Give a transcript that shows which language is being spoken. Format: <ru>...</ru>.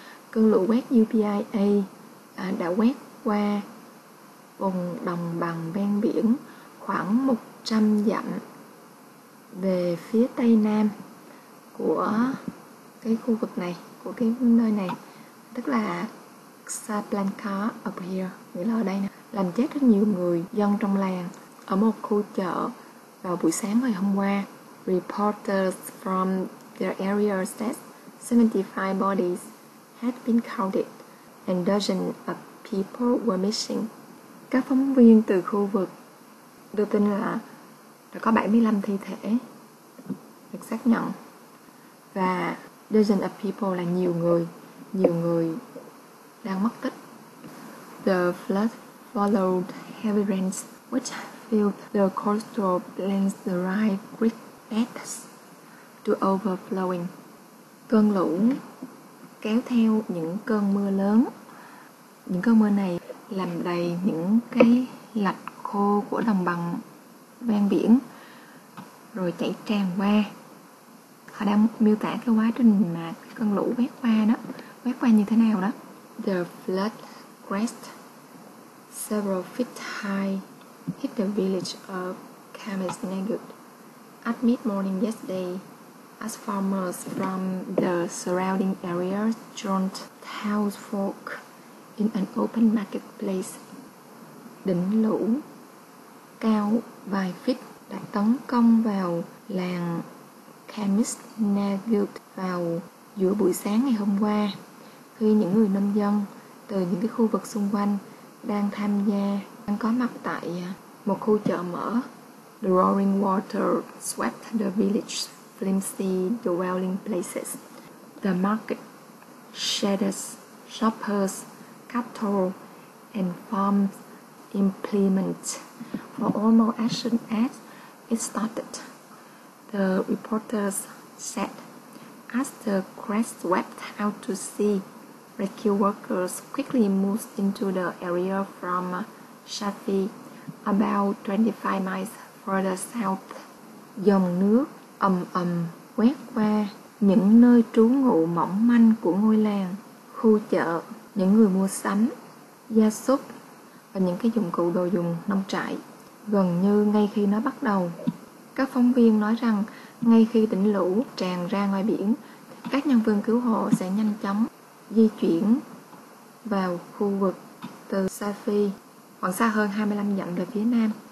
<vi>Cơn lũ quét UPIA đã quét qua vùng đồng bằng ven biển khoảng 100 dặm về phía tây nam của cái khu vực này, của cái nơi này, tức là Casablanca</vi> <en>up here,</en> <vi>nghĩa là ở đây nè, làm chết rất nhiều người dân trong làng ở một khu chợ vào buổi sáng ngày hôm qua.</vi> <en>Reporters from the area said 75 bodies had been counted and dozens of people were missing.</en> <vi>Các phóng viên từ khu vực đưa tin là đã có 75 thi thể được xác nhận, và</vi> <en>dozen of people</en> <vi>là nhiều người đang mất tích.</vi> <en>The flood followed heavy rains which filled the coastal plains dry creek beds to overflowing.</en> <vi>Cơn lũ kéo theo những cơn mưa lớn. Những cơn mưa này làm đầy những cái lạch khô của đồng bằng ven biển rồi chảy tràn qua. Họ đang miêu tả cái quá trình mà cơn lũ quét qua đó, quét qua như thế nào đó.</vi> <en>The flood crest several feet high hit the village of Camas Negut at mid-morning yesterday as farmers from the surrounding area joined townsfolk in an open marketplace.</en> <vi>Đỉnh lũ cao vài feet đã tấn công vào làng Camas Negut vào giữa buổi sáng ngày hôm qua, khi những người nông dân từ những cái khu vực xung quanh đang tham gia, đang có mặt tại một khu chợ mở.</vi> <en>The roaring water swept the village's flimsy dwelling places. The market, shedders, shoppers, cattle and farm implements were almost as soon as it started. The reporters said, as the crest swept out to sea, rescue workers quickly moved into the area from Shafi, about 25 miles further south.</en> <vi>Dòng nước ầm ầm quét qua những nơi trú ngụ mỏng manh của ngôi làng, khu chợ, những người mua sắm, gia súc và những cái dụng cụ đồ dùng nông trại, gần như ngay khi nó bắt đầu. Các phóng viên nói rằng ngay khi đỉnh lũ tràn ra ngoài biển, các nhân viên cứu hộ sẽ nhanh chóng di chuyển vào khu vực từ Safi, khoảng xa hơn 25 dặm về phía nam.</vi>